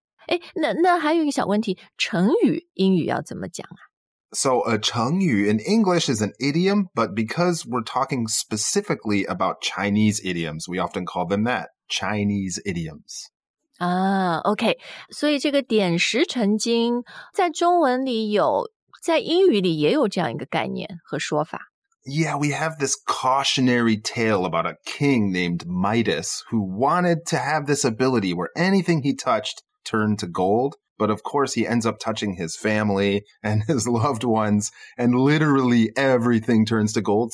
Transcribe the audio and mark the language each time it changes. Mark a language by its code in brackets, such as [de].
[zh] 哎，那还有一个小问题，成语英语要怎么讲啊？ [en] So a 成语 in English is an idiom, but because we're talking specifically about Chinese idioms, we often call them that, Chinese idioms. [zh] 啊 ,OK, 所以这个点石成金在中文里有，在英语里也有这样一个概念和说法。 [en] Yeah, we have this cautionary tale about a king named Midas who wanted to have this ability where anything he touched turned to gold. But of course, he ends up touching his family and his loved ones, and literally everything turns to gold.